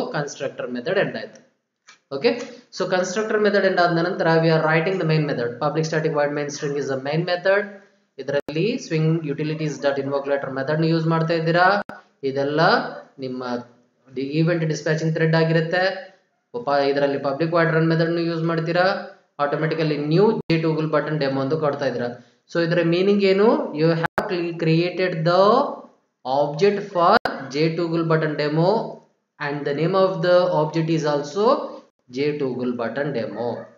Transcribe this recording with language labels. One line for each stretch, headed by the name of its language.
English: Constructor method end ಆಯಿತು. Okay, so constructor method end ಆದ ನಂತರ we are writing the main method. Public static void main string is a main method. ಇದರಲ್ಲಿ swing utilities dot invoke later ಮೆಥಡ್ನ use ಮಾಡ್ತಾ ಇದ್ದೀರಾ.
Kannada: ಇದೆಲ್ಲ ನಿಮ್ಮ event dispatching thread ಆಗಿರುತ್ತೆ. ಇದರಲ್ಲಿ ಪಬ್ಲಿಕ್ ವೈಡ್ ರನ್ ಮೆಥಡ್ನ ಯೂಸ್ ಮಾಡ್ತೀರಾ, automatically new J toggle button demo ಅಂತ ಕೊಡ್ತಾ ಇದ್ರ.
English: so
Kannada: ಇದರ ಮೀನಿಂಗ್ ಏನು,
English: You have created the object for J toggle button demo and the name of the object is also J toggle button demo.